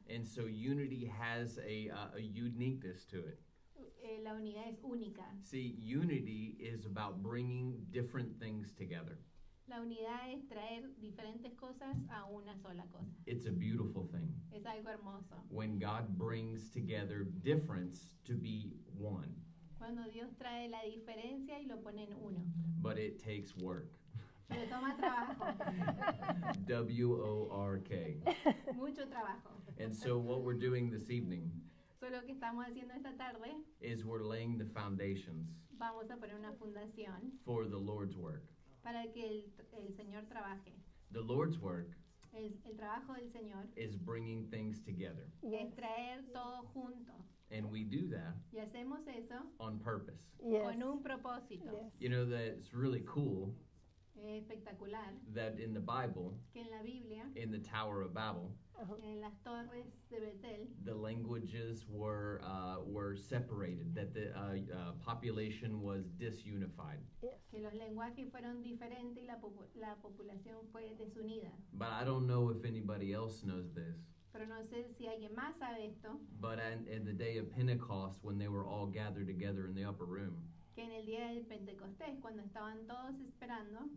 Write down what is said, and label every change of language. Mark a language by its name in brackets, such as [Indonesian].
[English] And so unity has a uniqueness to it. [Spanish] La unidad es única. [English] See, unity is about bringing different things together. [Spanish] La unidad es traer diferentes cosas a una sola cosa. [English] It's a beautiful thing. [Spanish] Es algo hermoso. [English] When God brings together difference to be one. [Spanish] Cuando Dios trae la diferencia y lo pone en uno. [English] But it takes work. [Spanish] Pero toma trabajo. [English] W-O-R-K. [Spanish] Mucho trabajo. [English] And so what we're doing this evening. [Spanish] So lo que estamos haciendo esta tarde [English] is we're laying the foundations [Spanish] vamos a poner una fundación [English] for the Lord's work. [Spanish] Para que el Señor trabaje. [English] The Lord's work [Spanish] es el trabajo del Señor [English] is bringing things together. Yes. [Spanish] Es traer todo junto. [English] And we do that [Spanish] y hacemos eso [English] on purpose. Yes. [Spanish] Con un propósito. [English] Yes. You know that it's really cool [Spanish] es espectacular [English] that in the Bible [Spanish] que en la Biblia, [English] in the Tower of Babel [Spanish] uh-huh. En las torres de Betel. [English] The languages were separated, that the population was disunified. Yes. [Spanish] Que los lenguajes fueron diferentes y la población fue desunida. [English] But I don't know if anybody else knows this. [Spanish] Pero no sé si alguien más sabe esto. [English] But in the day of Pentecost, when they were all gathered together in the upper room, [Spanish] que en el día del Pentecostés, cuando estaban todos esperando,